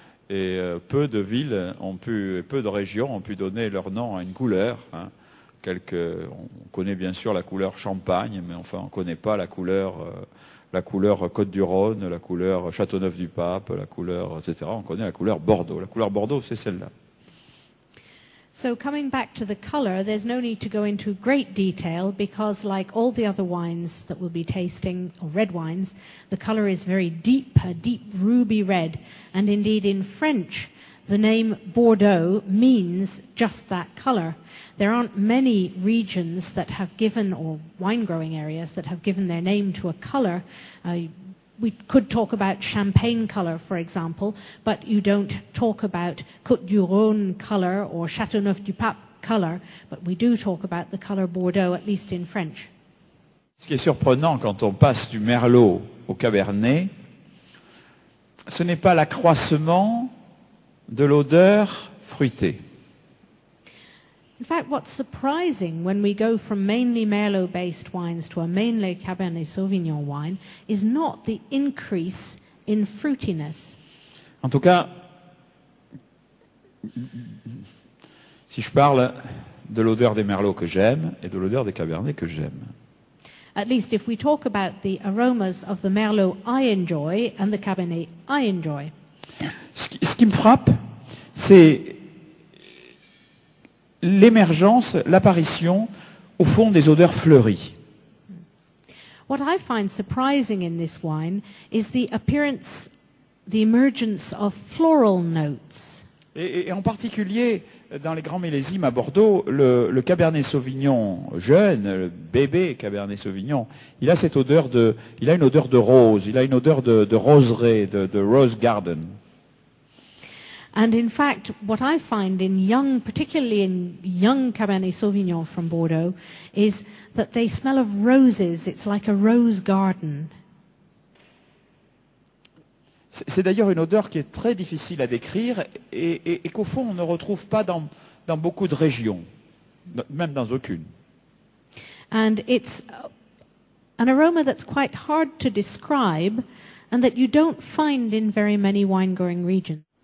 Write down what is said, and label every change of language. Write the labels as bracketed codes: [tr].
[fr] Et peu de villes ont pu, peu de régions ont pu donner leur nom à une couleur. Hein. On connaît bien sûr la couleur Champagne, mais enfin on ne connaît pas la couleur. La couleur Côte-du-Rhône, la couleur Châteauneuf-du-Pape, la couleur, etc. On connaît la couleur Bordeaux. La couleur Bordeaux, c'est celle-là. [en] So coming back to the color, there's no need to go into great detail because like all the other wines that we'll be tasting, or red wines, the color is very deep, a deep ruby red. And indeed in French, the name Bordeaux means just that color. There aren't many regions that have given, or wine-growing areas, that have given their name to a color. We could talk about Champagne color, for example, but you don't talk about Côte-du-Rhône color or Châteauneuf-du-Pape color, but we do talk about the color Bordeaux, at least in French. [fr] Ce qui est surprenant quand on passe du Merlot au Cabernet, ce n'est pas l'accroissement de l'odeur fruitée. [en] In fact, what's surprising when we go from mainly Merlot-based wines to a mainly Cabernet Sauvignon wine is not the increase in fruitiness. [fr] En tout cas, si je parle de l'odeur des Merlots que j'aime et de l'odeur des Cabernets que j'aime. [en] At least if we talk about the aromas of the Merlot I enjoy and the Cabernet I enjoy. [fr] Ce qui me frappe, c'est l'émergence, l'apparition, au fond, des odeurs fleuries. [en] What I find surprising in this wine is the appearance, the emergence of floral notes. [fr] Et en particulier, dans les grands millésimes à Bordeaux, le Cabernet Sauvignon jeune, le bébé Cabernet Sauvignon, il a cette odeur de, il a une odeur de rose, il a une odeur de roseraie, de [en] rose garden. And in fact, what I find in young, particularly in young Cabernet Sauvignon from Bordeaux, is that they smell of roses. It's like a rose garden. [fr] C'est d'ailleurs une odeur qui est très difficile à décrire et qu'au fond, on ne retrouve pas dans beaucoup de régions, même dans aucune. [en] And it's an aroma that's quite hard to describe and that you don't find in very many wine-growing regions.